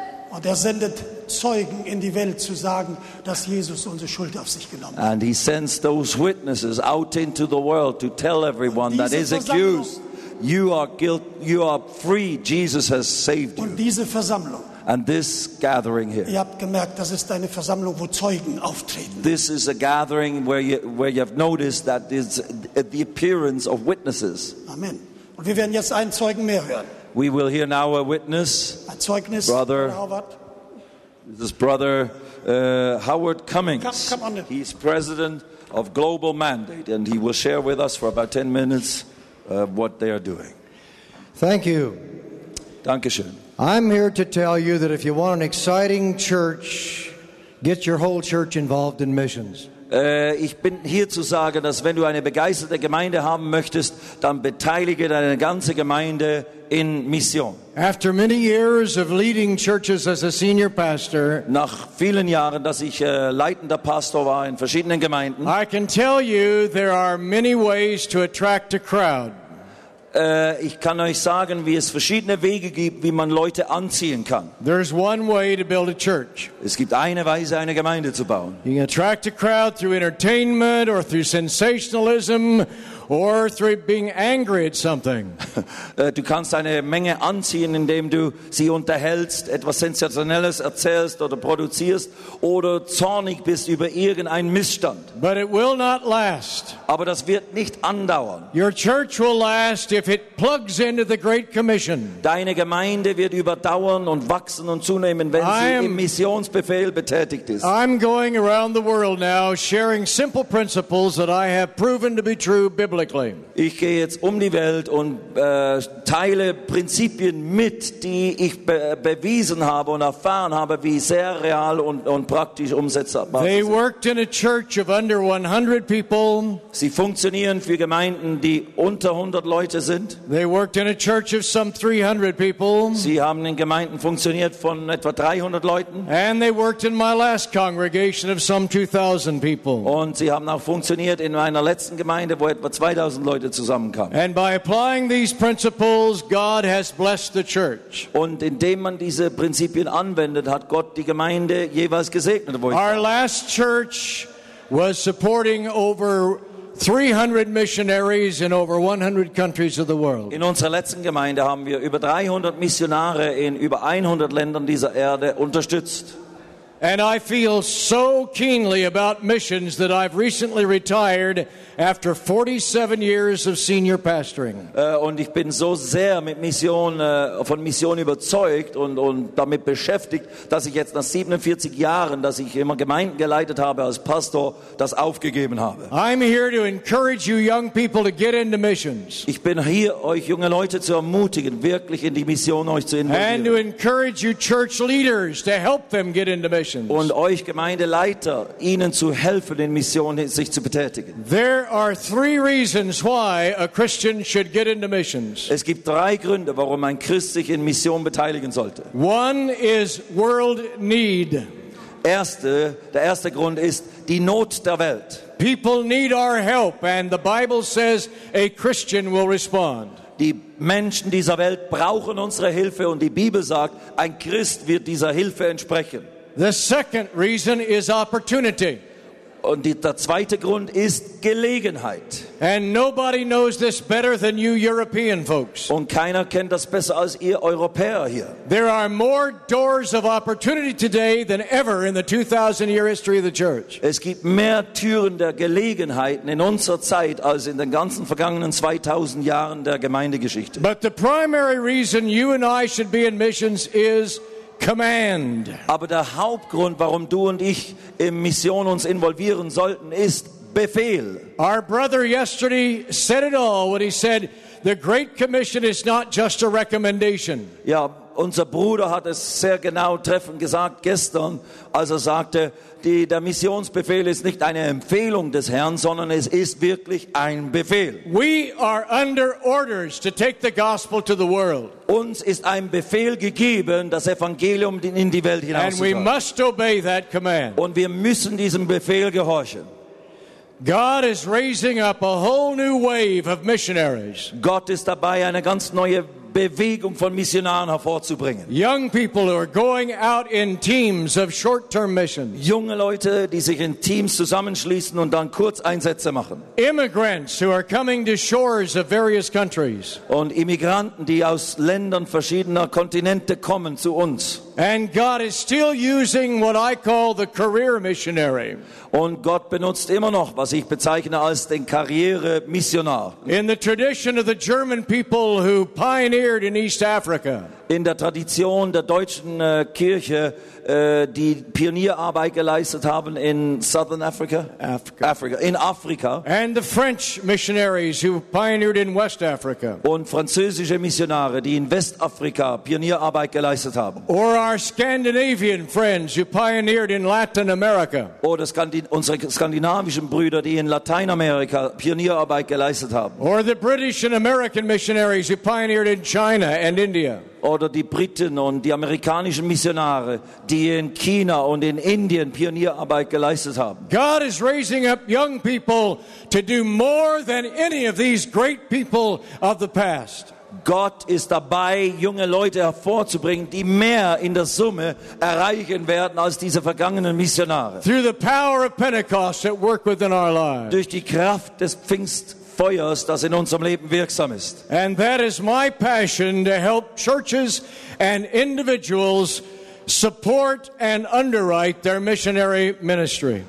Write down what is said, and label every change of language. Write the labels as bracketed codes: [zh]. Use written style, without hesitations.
[de] Und er sendet Zeugen in die Welt zu sagen, dass Jesus unsere Schuld auf sich genommen hat. [en] And he sends those witnesses out into the world to tell everyone that is accused. You are guilty, you are free. Jesus has saved you. [de] Und diese Versammlung. [en] And this gathering here. [de] Ihr habt gemerkt, das ist eine Versammlung, wo Zeugen auftreten. [en] This is a gathering where you have noticed that it's the appearance of witnesses. Amen. [de] Und wir werden jetzt einen Zeugen mehr hören. [en] We will hear now a witness. [de] Ein Zeugnis. [en] Brother Howard. This is Brother Howard Cummings. Come on. He's president of Global Mandate, and he will share with us for about 10 minutes what they are doing. Thank you. [de] Dankeschön. [en] I'm here to tell you that if you want an exciting church, get your whole church involved in missions. [de] Ich bin hier zu sagen, dass wenn du eine begeisterte Gemeinde haben möchtest, dann beteilige deine ganze Gemeinde in Mission. [en] After many years of leading churches as a senior pastor, [de] nach vielen Jahren, dass ich leitender Pastor war in verschiedenen Gemeinden, [en] I can tell you there are many ways to attract a crowd. [de] Ich kann euch sagen, wie es verschiedene Wege gibt, wie man Leute anziehen kann. [en] There's one way to build a church. [de] Es gibt eine Weise, eine Gemeinde zu bauen. [en] You can attract a crowd through entertainment or through sensationalism or through being angry at something. [de] Du kannst eine Menge anziehen, indem du sie unterhältst, etwas Sensationelles erzählst oder produzierst oder zornig bist über irgendeinen Missstand. [en] But it will not last. [de] Aber das wird nicht andauern. [en] Your church will last if it plugs into the Great Commission. [de] Deine Gemeinde wird überdauern und wachsen und zunehmen, wenn sie im Missionsbefehl betätigt ist. [en] I'm going around the world now sharing simple principles that I have proven to be true. [de] Ich gehe jetzt die Welt und teile Prinzipien mit, die ich bewiesen habe und erfahren habe, wie sehr real und praktisch umsetzbar. [en] They worked in a church of under 100 people. [de] Sie funktionieren für Gemeinden, die unter 100 Leute sind. [en] They worked in a church of some 300 people. [de] Sie haben in Gemeinden funktioniert von etwa 300 Leuten. [en] And they worked in my last congregation of some 2000 people. [de] Und sie haben auch funktioniert in meiner letzten Gemeinde, wo etwa 2000 Leute zusammenkamen. [en] And by applying these principles, God has blessed the church. [de] Und indem man diese Prinzipien anwendet, hat Gott die Gemeinde jeweils gesegnet. [en] Our last church was supporting over 300 missionaries in over 100 countries of the world. [de] In unserer letzten Gemeinde haben wir über 300 Missionare in über 100 Ländern dieser Erde unterstützt. [en] And I feel so keenly about missions that I've recently retired after 47 years of senior pastoring. [de] Und ich bin so sehr mit Mission von Mission überzeugt und damit beschäftigt, dass ich jetzt nach 47 Jahren, dass ich immer Gemeinden geleitet habe als Pastor, das aufgegeben habe. [en] I'm here to encourage you young people to get into missions. [de] Ich bin hier, euch junge Leute zu ermutigen, wirklich in die Mission euch zu involvieren. [en] And to encourage you church leaders to help them get into missions. [de] Und euch Gemeindeleiter, ihnen zu helfen, in Mission sich zu betätigen. [en] There are three reasons why a Christian should get into missions. [de] Es gibt drei Gründe, warum ein Christ sich in Mission beteiligen sollte. [en] One is world need. [de] Der erste Grund ist die Not der Welt. [en] People need our help, and the Bible says a Christian will respond. [de] Die Menschen dieser Welt brauchen unsere Hilfe, und die Bibel sagt, ein Christ wird dieser Hilfe entsprechen. [en] The second reason is opportunity. [de] Und der zweite Grund ist Gelegenheit. [en] And nobody knows this better than you European folks. [de] Und keiner kennt das besser als ihr Europäer hier. [en] There are more doors of opportunity today than ever in the 2000-year history of the church. [de] Es gibt mehr Türen der Gelegenheiten in unserer Zeit als in den ganzen vergangenen 2000 Jahren der Gemeindegeschichte. [en] But the primary reason you and I should be in missions is command. [de] Aber der Hauptgrund, warum du und ich in Mission uns involvieren sollten, ist Befehl. [en] Our brother yesterday said it all when he said, "The Great Commission is not just a recommendation." [de] Ja, unser Bruder hat es sehr genau treffend gesagt gestern, als er sagte, der Missionsbefehl ist nicht eine Empfehlung des Herrn, sondern es ist wirklich ein Befehl. [en] We are under orders to take the gospel to the world. [de] Uns ist ein Befehl gegeben, das Evangelium in die Welt hinauszutragen. [en] And we must obey that command. [de] Und wir müssen diesem Befehl gehorchen. [en] God is raising up a whole new wave of missionaries. [de] Gott ist dabei, eine ganz neue Bewegung von Missionaren hervorzubringen. [en] Young people who are going out in teams of short-term missions. [de] Junge Leute, die sich in Teams zusammenschließen und dann Kurzeinsätze machen. [en] Immigrants who are coming to shores of various countries. [de] Und Immigranten, die aus Ländern verschiedener Kontinente kommen zu uns. [en] And God is still using what I call the career missionary. [de] Und Gott benutzt immer noch, was ich bezeichne als den Karrieremissionar. [en] In the tradition of the German people who pioneered in East Africa. [de] In der Tradition der deutschen Kirche, die Pionierarbeit geleistet haben in Southern Africa. [en] Africa. [de] In Afrika. [en] And the French missionaries who pioneered in West Africa. [de] Und französische Missionare, die in Westafrika Pionierarbeit geleistet haben. [en] Or our Scandinavian friends who pioneered in Latin America. [de] Oder unsere skandinavischen Brüder, die in Lateinamerika Pionierarbeit geleistet haben. [en] Or the British and American missionaries who pioneered in China and India. [de] Oder die Briten und die amerikanischen Missionare, die in China und in Indien Pionierarbeit geleistet haben. [en] God is raising up young people to do more than any of these great people of the past. [de] Gott ist dabei, junge Leute hervorzubringen, die mehr in der Summe erreichen werden als diese vergangenen Missionare. [en] Through the power of Pentecost at work within our lives. [de] Durch die Kraft des Pfingstfeuers, das in unserem Leben wirksam ist. [en] And that is my passion, to help churches and individuals support and underwrite their missionary ministry.